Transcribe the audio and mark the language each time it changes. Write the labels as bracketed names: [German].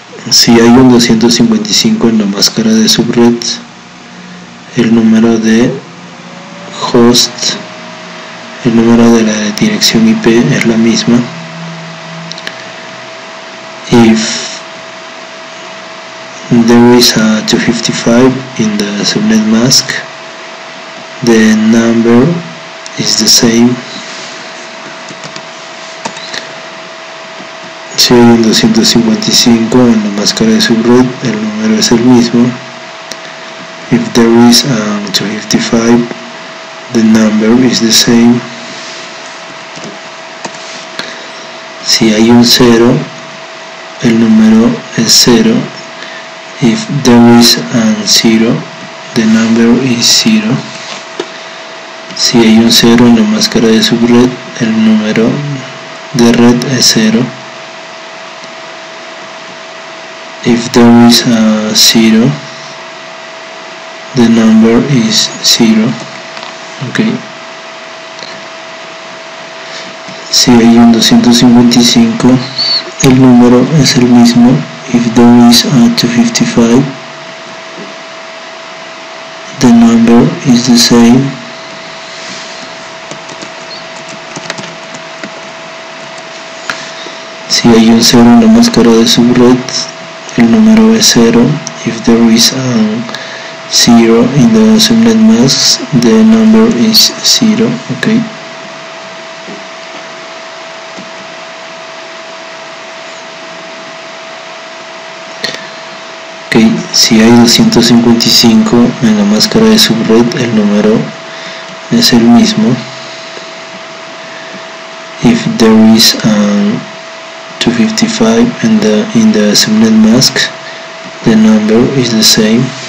[Spanish] Si hay un 255 en la máscara de subred, el número de host, el número de la dirección IP es la misma. [English] If there is a 255 in the subnet mask, the number is the same. [Spanish] Si hay un 255 en la máscara de subred, el número es el mismo. [English] If there is a 255, the number is the same. [Spanish] Si hay un 0, el número es 0. [English] If there is a 0, the number is 0. [Spanish] Si hay un 0 en la máscara de subred, el número de red es 0. [English] If there is a 0, the number is 0. Okay. [Spanish] Si hay un 255, el número es el mismo. [English] If there is a 255, the number is the same. [Spanish] Si hay un 0 en la máscara de subred, el número es 0. [English] If there is a 0 in the subnet mask, the number is 0. Okay. Okay. [Spanish] Si hay 255 en la máscara de subred, el número es el mismo. [English] If there is a 255 and in the subnet mask, the number is the same.